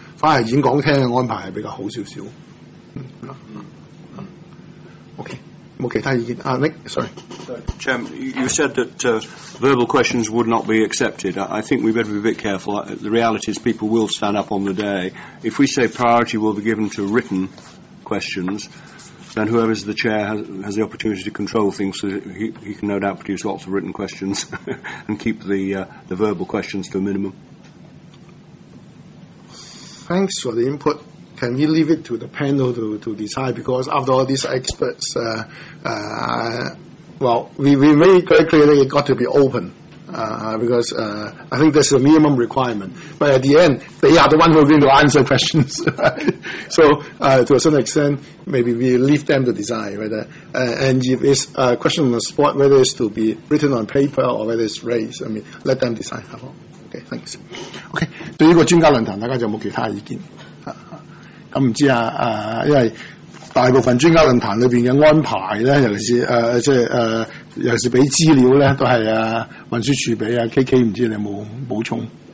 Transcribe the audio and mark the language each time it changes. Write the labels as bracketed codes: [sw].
[yue] 反而演講廳嘅安排係比較好少少。 OK， 冇其他意見。Nick，sorry，Jim， [en] you said that verbal questions would not be accepted. I think we better be a bit careful. The reality is people will stand up on the day. If we say priority will be given to written questions, then whoever is the chair has the opportunity to control things so he can no doubt produce lots of written questions and keep the verbal questions to a minimum. Thanks for the input. Can we leave it to the panel to decide? Because after all these experts, well, we made very clearly it got to be open, because, I think there's a minimum requirement. But at the end, they are the ones who are going to answer questions. So, to a certain extent, maybe we leave them to decide whether, and if it's a question on the spot, whether it's to be written on paper or whether it's raised, I mean, let them decide. Okay, thanks. [yue] Okay, 对于个专家论坛大家就没其他意见。咁唔知啊，因为大部分專家論壇裏面的安排呢，尤其是尤其是俾資料呢，都係運輸署俾KK， 唔知你有冇補充。